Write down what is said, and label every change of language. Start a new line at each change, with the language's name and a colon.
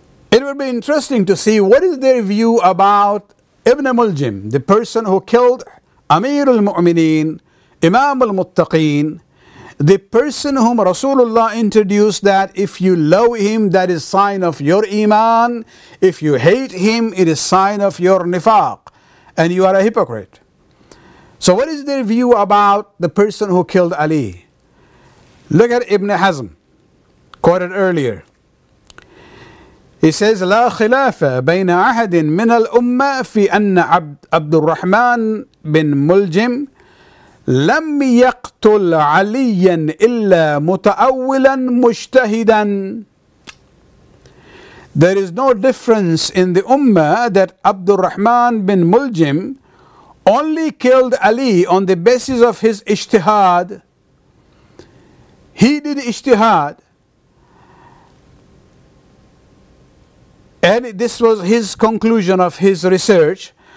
English: It will be interesting to see what is their view about Ibn Muljim, the person who killed Amir al-Mu'mineen, Imam al-Muttaqeen, the person whom Rasulullah introduced that if you love him, that is sign of your iman. If you hate him, it is sign of your nifaq, and you are a hypocrite. So what is their view about the person who killed Ali? Look at Ibn Hazm, quoted earlier. He says,
Arabic: لا خلاف بين أحد من الأمة في أن عبد الرحمن بن ملجم لم يقتل عليا إلا متأولا مجتهدا.
English: There is no difference in the Ummah that Abd al-Rahman bin Muljim only killed Ali on the basis of his ijtihad. He did ijtihad, and this was his conclusion of his research.